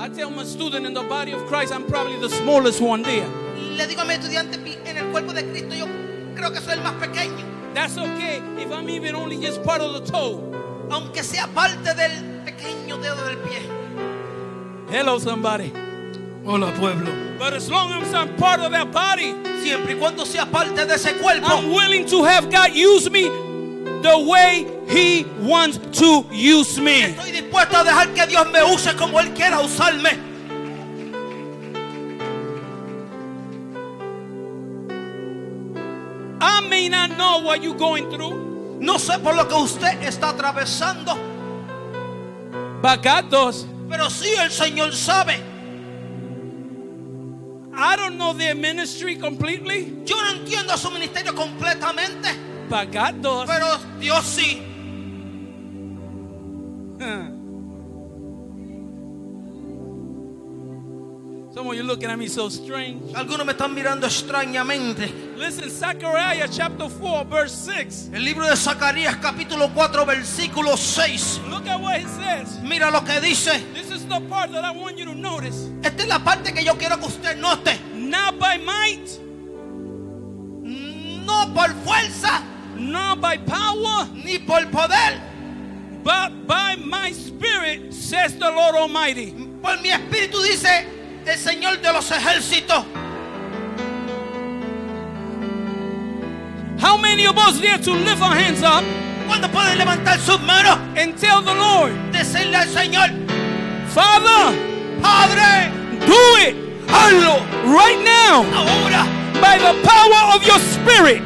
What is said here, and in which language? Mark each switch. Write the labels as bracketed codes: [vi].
[en] I tell my student in the body of Christ, I'm probably the smallest one there. [es] Le digo a mi estudiante en el cuerpo de Cristo, yo creo que soy el más pequeño. [en] That's okay if I'm even only just part of the toe. [es] Aunque sea parte del pequeño dedo del pie. [en] Hello, somebody. [es] Hola, pueblo. [en] But as long as I'm part of that body, [es] siempre y cuando sea parte de ese cuerpo, [en] I'm willing to have God use me the way He wants to use me. [es] Estoy dispuesto a dejar que Dios me use como Él quiera usarme. [en] I may not know what you're going through. [es] No sé por lo que usted está atravesando. [en] But God does. [es] Pero sí, el Señor sabe. [en] I don't know their ministry completely. [es] Yo no entiendo su ministerio completamente. [en] But God does. [es] Pero Dios sí. [en] Some of you looking at me so strange. [es] Algunos me están mirando extrañamente. [en] Listen, Zechariah chapter 4, verse 6. [es] El libro de Zacarías capítulo 4, versículo 6. [en] Look at what he says. [es] Mira lo que dice. [en] This is the part that I want you to notice. [es] Esta es la parte que yo quiero que usted note. [en] Not by might. [es] No por fuerza. [en] Not by power. [es] Ni por poder. [en] But by my spirit, says the Lord Almighty. [es] Por mi espíritu dice el Señor de los ejércitos. [en] How many of us dare to lift our hands up? [es] ¿Cuándo pueden levantar sus manos? [en] And tell the Lord. [es] Decirle al Señor. [en] Father. [es] Padre. [en] Do it. [es] Hazlo. [en] Right now. [es] Ahora. [en] By the power of your spirit.